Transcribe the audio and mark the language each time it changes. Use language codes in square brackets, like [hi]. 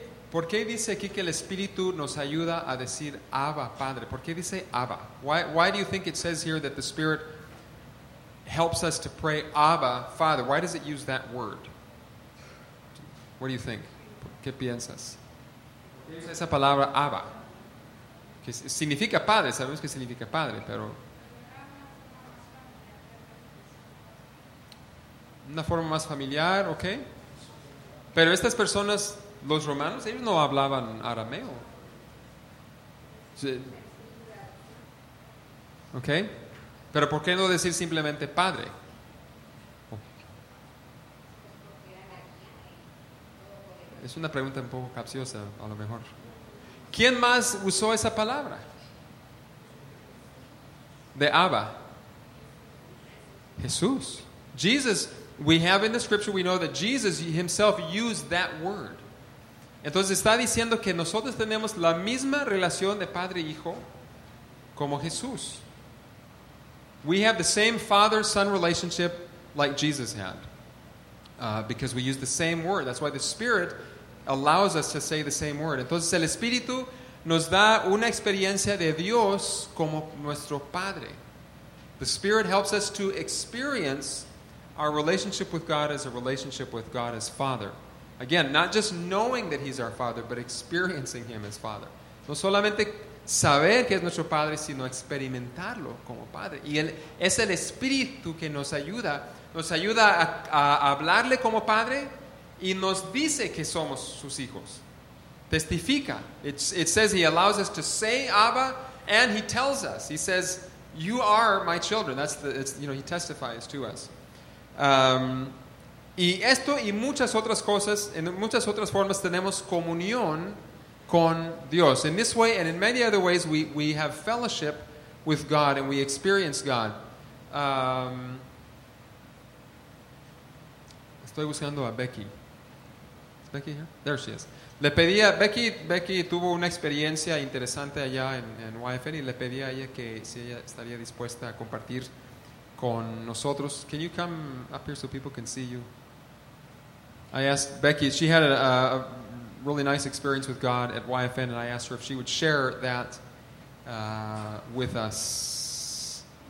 [es] ¿Por qué dice aquí que el Espíritu nos ayuda a decir Abba, Padre? ¿Por qué dice Abba? [en] Why do you think it says here that the Spirit helps us to pray Abba, Father? Why does it use that word? What do you think? [es] ¿Qué piensas? Esa palabra Abba, que significa padre, sabemos que significa padre, pero una forma más familiar, ¿ok? Pero estas personas Los romanos, ellos no hablaban arameo. Okay. Pero ¿por qué no decir simplemente padre? Es una pregunta un poco capciosa, a lo mejor. ¿Quién más usó esa palabra? De Abba. Jesús. [en] Jesus, we have in the scripture, we know that Jesus himself used that word. [es] Entonces está diciendo que nosotros tenemos la misma relación de padre e hijo como Jesús. [en] We have the same father-son relationship like Jesus had. Because we use the same word. That's why the Spirit allows us to say the same word. [es] Entonces el Espíritu nos da una experiencia de Dios como nuestro Padre. [en] The Spirit helps us to experience our relationship with God as a relationship with God as Father. Again, not just knowing that He's our Father, but experiencing Him as Father. [es] No solamente saber que es nuestro Padre, sino experimentarlo como Padre. Y es el Espíritu que nos ayuda a hablarle como Padre y nos dice que somos sus hijos. [en] Testifica. It says He allows us to say Abba, and He tells us. He says, "You are my children." That's the, it's, you know, He testifies to us. [es] Y esto y muchas otras cosas, en muchas otras formas tenemos comunión con Dios. [en] In this way and in many other ways, we have fellowship with God and we experience God. [es] Estoy buscando a Becky. ¿Es Becky here? [en] There she is. [es] Le pedí a Becky. Becky tuvo una experiencia interesante allá en YFN y le pedí a ella que si ella estaría dispuesta a compartir con nosotros. [en] Can you come up here so people can see you? I asked Becky. She had a really nice experience with God at YFN, and I asked her if she would share that with us.